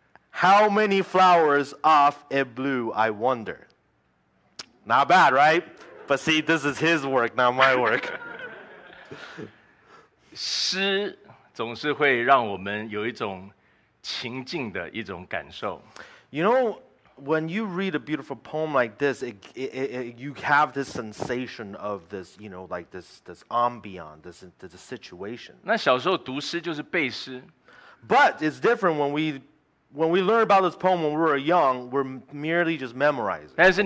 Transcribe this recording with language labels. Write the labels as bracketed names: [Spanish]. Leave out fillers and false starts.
[English] How many flowers off it blew, I wonder. Not bad, right? But see, this is his work, not my work. [Chinese] 诗总是会让我们有一种 情境的一种感受. [English] You know, when you read a beautiful poem like this, you have this sensation of this, you know, like this ambient, this situation. [Chinese] 那小时候读诗就是背诗. [English] But it's different when we learn about this poem when we were young, we're merely just memorizing.